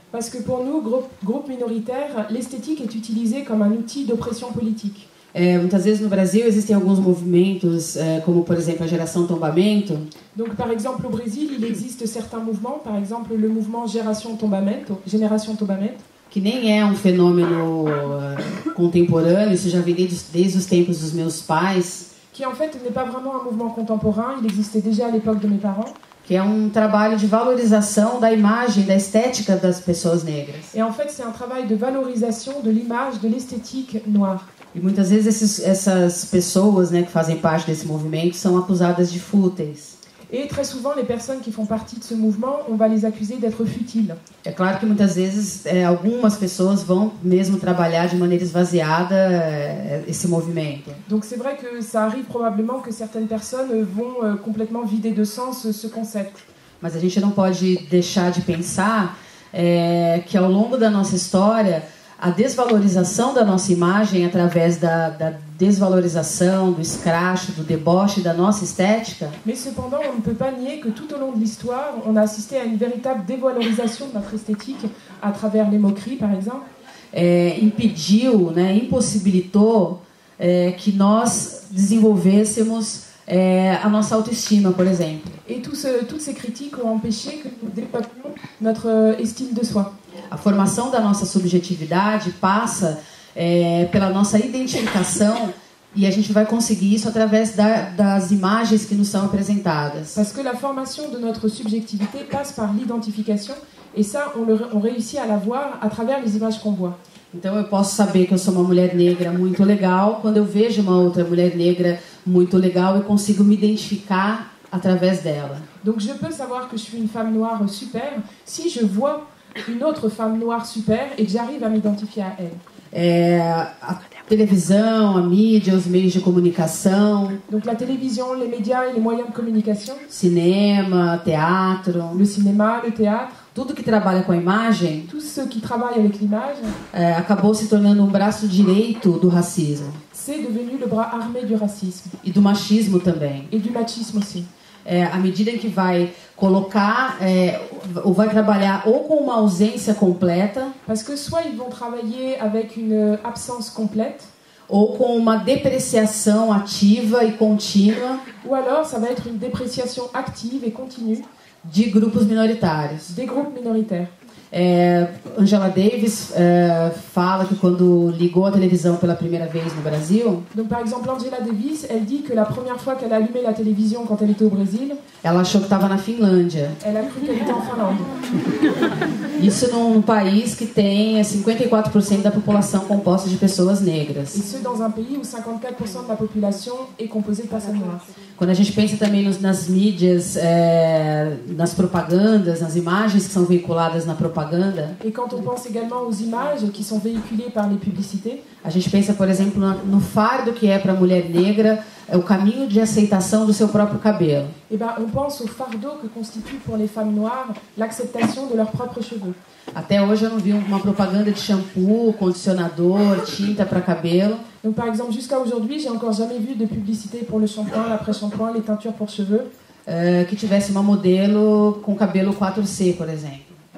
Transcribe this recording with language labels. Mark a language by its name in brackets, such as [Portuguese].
[French] Parce que pour nous, groupe minoritaire, l'esthétique est utilisée comme un outil d'oppression politique. [Portuguese] Muitas vezes no Brasil existem alguns movimentos, como por exemplo a Geração Tombamento. [French] Donc par exemple au Brésil, il existe certains mouvements, par exemple le mouvement Génération Tombamento. [Portuguese] Que nem é fenômeno contemporâneo, isso já vem desde os tempos dos meus pais. [French] Qui en fait n'est pas vraiment un mouvement contemporain, il existait déjà à l'époque de mes parents. [Portuguese] Que é trabalho de valorização da imagem, da estética das pessoas negras. [French] Et en fait, c'est un travail de valorisation de l'image, de l'esthétique noire. [Portuguese] E muitas vezes essas pessoas, né, que fazem parte desse movimento são acusadas de fúteis. [French] Et très souvent les personnes qui font partie de ce mouvement, on va les accuser d'être futiles. [Portuguese] É claro que muitas vezes algumas pessoas vão mesmo trabalhar de maneira esvaziada esse movimento. [French] Donc c'est vrai que ça arrive probablement que certaines personnes vont complètement vider de sens ce concept. [Portuguese] Mas a gente não pode deixar de pensar que ao longo da nossa história, a desvalorização da nossa imagem através da desvalorização, do escracho, do deboche da nossa estética. [French] Mais cependant, on ne peut pas nier que tout au long de l'histoire, on a assisté à une véritable dévalorisation de notre esthétique à travers les moqueries, par exemple. [Portuguese] Impediu, né, impossibilitou que nós desenvolvêssemos a nossa autoestima, por exemplo. [French] Et toutes ces critiques ont empêché que nous développions notre estime de soi. [Portuguese] A formação da nossa subjetividade passa pela nossa identificação e a gente vai conseguir isso através das imagens que nos são apresentadas. [French] Parce que la formation de notre subjectivité passe par l'identification et ça on réussit à la voir à travers les images qu'on voit. [Portuguese] Então eu posso saber que eu sou uma mulher negra muito legal quando eu vejo uma outra mulher negra muito legal e consigo me identificar através dela. [French] Donc je peux savoir que je suis une femme noire super si je vois une autre femme noire super et que j'arrive à m'identifier à elle. [Portuguese] A televisão, a mídia, os meios de comunicação. [French] Donc la télévision, les médias et les moyens de communication. [Portuguese] Cinéma, teatro. [French] Le cinéma, le théâtre. [Portuguese] Tudo que trabalha com a imagem. [French] Tout ce qui travaille avec l'image. [Portuguese] Acabou se tornando braço direito do racismo. [French] C'est devenu le bras armé du racisme. [Portuguese] E do machismo também. [French] Et du machisme aussi. [Portuguese] À medida que vai colocar ou vai trabalhar ou com uma ausência completa, [French] parce que soit ils vont travailler avec une absence complète, [Portuguese] ou com uma depreciação ativa e contínua, [French] ou alors ça va être une dépréciation active et continue [Portuguese] de grupos minoritários. [French] Des groupes minoritaires. [Portuguese] Angela Davis fala que quando ligou a televisão pela primeira vez no Brasil. [French] Donc par exemple Angela Davis, elle dit que la première fois qu'elle a allumé la télévision quand elle était au Brésil, [Portuguese] ela achou que estava na Finlândia. [French] Elle a cru qu'elle était en Finlande. [Portuguese] Isso num país que tem 54% da população composta de pessoas negras. [French] Et c'est dans un pays où 54% de la population est composée de personnes noires. [Portuguese] Quando a gente pensa também nas mídias, nas propagandas, nas imagens que são veiculadas na propaganda. [French] Et quand on pense également aux images qui sont véhiculées par les publicités, [Portuguese] A gente pensa, por exemplo, no fardo que é para a mulher negra o caminho de aceitação do seu próprio cabelo. [French] Eh bien, on pense au fardeau que constitue pour les femmes noires l'acceptation de leurs propres cheveux. [Portuguese] Até hoje eu não vi uma propaganda de shampoo, condicionador, tinta para cabelo. [French] Donc, par exemple, jusqu'à aujourd'hui, j'ai encore jamais vu de publicité pour le shampoing, l'après-shampoing, les teintures pour cheveux. [Portuguese] Que tivesse uma modelo com cabelo 4C, por exemplo.